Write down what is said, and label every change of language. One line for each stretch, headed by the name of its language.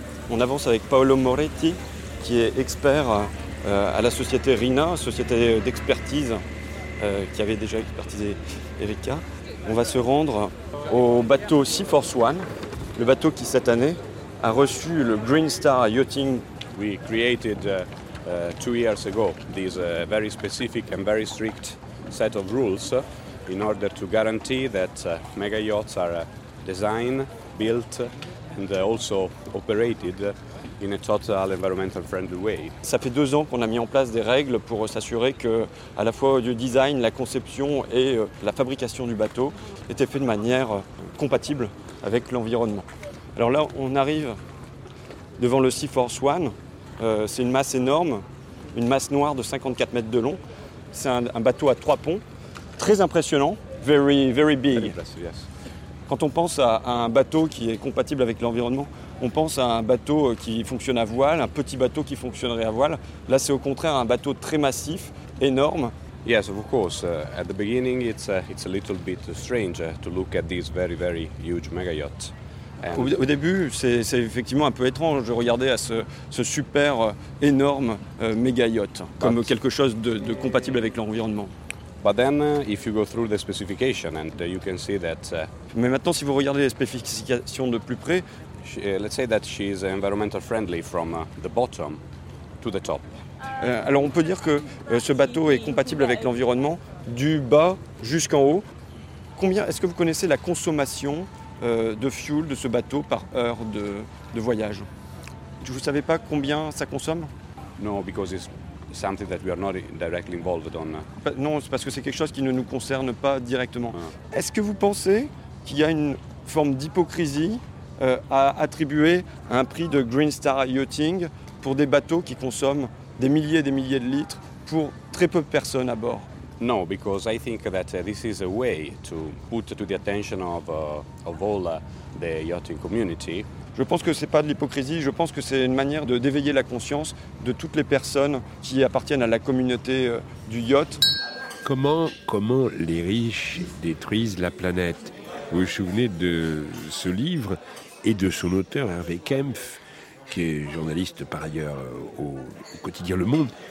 French: On avance avec Paolo Moretti qui est expert à la société RINA, société d'expertise qui avait déjà expertisé Erika. On va se rendre au bateau Sea Force One, le bateau qui cette année a reçu le Green Star Yachting.
English: We created 2 years ago this very specific and very strict set of rules in order to guarantee that mega yachts are designed, built and also operated in a total environmental friendly way.
French: Ça fait 2 ans qu'on a mis en place des règles pour s'assurer que, à la fois le design, la conception et la fabrication du bateau étaient faits de manière compatible avec l'environnement. Alors là, on arrive devant le Sea Force One. C'est une masse énorme, une masse noire de 54 mètres de long. C'est un bateau à 3 ponts, très impressionant, very, very big. Quand on pense à un bateau qui est compatible avec l'environnement, on pense à un bateau qui fonctionne à voile, un petit bateau qui fonctionnerait à voile. Là, c'est au contraire un bateau très massif, énorme.
English: Yes, of course. At the beginning, it's a little bit strange to look at this very, very huge mega yacht.
French: Au début, c'est effectivement un peu étrange de regarder à ce super énorme mega yacht comme quelque chose de compatible avec l'environnement.
English: But then, if you go through the specification, and you can see that.
French: Mais maintenant, si vous regardez les spécifications de plus près.
English: Let's say that she is environmental friendly from the bottom to the top.
French: Alors on peut dire que ce bateau est compatible avec l'environnement du bas jusqu'en haut. Combien est-ce que vous connaissez la consommation de fuel de ce bateau par heure de voyage? Vous savez pas combien ça consomme?
English: No, because it's something that we are not directly involved on.
French: Non, c'est parce que c'est quelque chose qui ne nous concerne pas directement. Est-ce que vous pensez qu'il y a une forme d'hypocrisie à attribuer un prix de Green Star Yachting pour des bateaux qui consomment des milliers de litres pour très peu de personnes à bord?
English: No, because I think that this is a way to put to the attention of all the yachting community.
French: Je pense que c'est pas de l'hypocrisie, je pense que c'est une manière de d'éveiller la conscience de toutes les personnes qui appartiennent à la communauté du yacht. Comment les riches détruisent la planète? Vous vous souvenez de ce livre et de son auteur, Hervé Kempf, qui est journaliste par ailleurs au quotidien Le Monde.